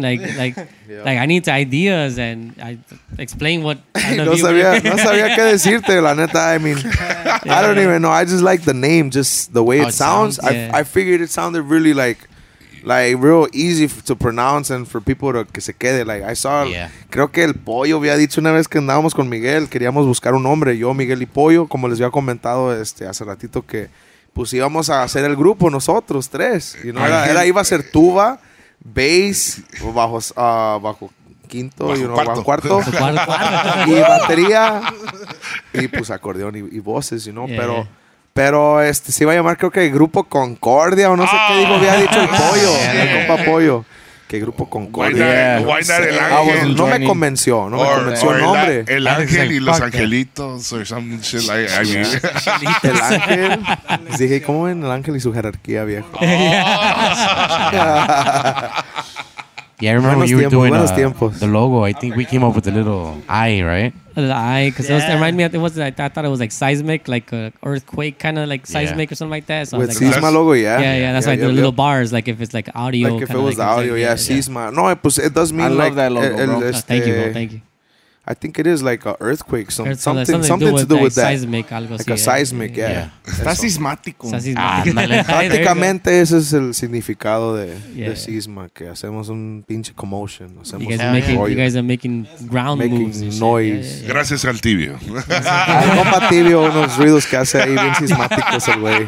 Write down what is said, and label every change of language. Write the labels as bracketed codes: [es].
[en] Like, I need ideas and I explain what. [es] No sabía qué decirte, la neta. [en] I mean, yeah, I don't even know. I just like the name, just the way it sounds. I figured it sounded really like real easy to pronounce and for people to [es] que se quede. [en] Like, I saw. Yeah. [es] Creo que el pollo había dicho una vez que andábamos con Miguel, queríamos buscar un nombre. Yo, Miguel y Pollo, como les había comentado hace ratito que. Pues íbamos a hacer el grupo nosotros tres, [en] you know? [es] Era iba a ser tuba, bass, bajo cuarto y batería y pues acordeón y voces, you know? Yeah. pero se iba a llamar, creo que el grupo Concordia o no sé qué digo, había dicho el pollo, el compa Pollo. ¿Qué grupo Concordia? No me convenció el nombre. El Ángel y los Angelitos o [en] something shit like that. Yeah. [es] El Ángel. Dije, ¿cómo ven el Ángel y su jerarquía, viejo? [en] Yeah, I remember when you were doing the logo. I think we came up with a little eye, right? The eye, because it reminded me of, I thought it was like seismic, like an earthquake kind of like seismic or something like that. So with like, Cizma logo, yeah. Yeah, that's why I did the little bars, like if it's like audio. Like if it was like, the audio, like, yeah, Cizma. Yeah. [es] No, pues, [en] it does mean I like, love that logo, bro. Thank you, bro, thank you. I think it is like an earthquake, something to do with that. [es] Seismic, algo [en] like [es] así. [en] Like a seismic, yeah. [es] Está sismático. Prácticamente ese es el significado de Cizma, que hacemos un pinche commotion. [en] You guys are making ground moves. Making noise. [es] Gracias al Tibio. Al compa Tibio, unos ruidos que hace ahí bien sismáticos el güey.